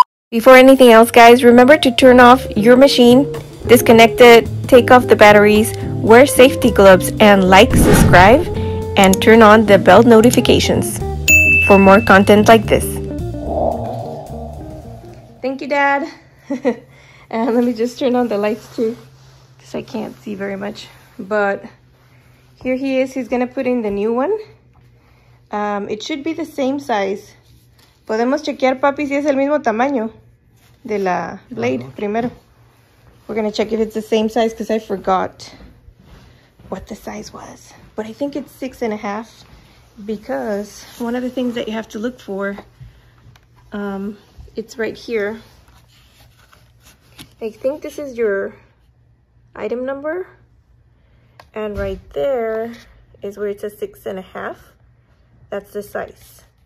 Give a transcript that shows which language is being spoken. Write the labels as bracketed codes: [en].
[en] Before anything else, guys, remember to turn off your machine, disconnect it, take off the batteries, wear safety gloves, and like, subscribe, and turn on the bell notifications for more content like this. Thank you, Dad. And let me just turn on the lights too, because I can't see very much. But here he is. He's going to put in the new one. It should be the same size. [es] Podemos chequear, papi, si es el mismo tamaño de la blade primero. [en] We're going to check if it's the same size because I forgot what the size was. But I think it's 6.5 because one of the things that you have to look for, it's right here. I think this is your item number. And right there is where it says 6.5. That's the size.